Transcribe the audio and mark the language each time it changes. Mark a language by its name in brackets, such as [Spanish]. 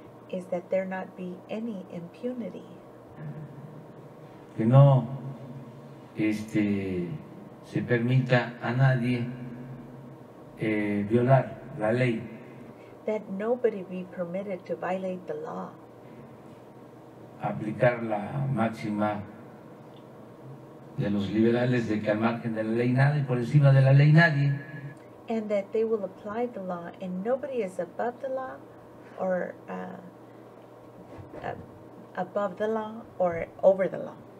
[English] Is that there not be any impunity. [Spanish] Que no se permita a nadie violar la ley. [English] That nobody be permitted to violate the law. [Spanish] Aplicar la máxima de los liberales de que al margen de la ley nada y por encima de la ley nadie. [English] And that they will apply the law and nobody is above the law or above the law or over the law.